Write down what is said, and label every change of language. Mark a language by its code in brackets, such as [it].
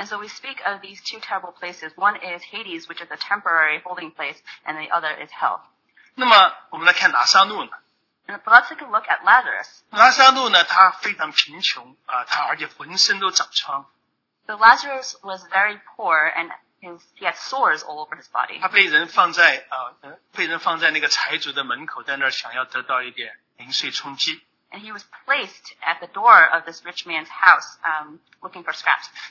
[en] And so we speak of these two terrible places. One is Hades, which is a temporary holding place, and the other is hell. [zh] 那么我们来看拿撒路呢。 [en] Let's take a look at Lazarus. [zh] 拿撒路呢，他非常贫穷，他而且浑身都长疮。 [en] So Lazarus was very poor, and he had sores all over his body. [zh] 他被人放在那个财主的门口，在那儿想要得到一点零碎充饥。 [en] And he was placed at the door of this rich man's house, looking for scraps.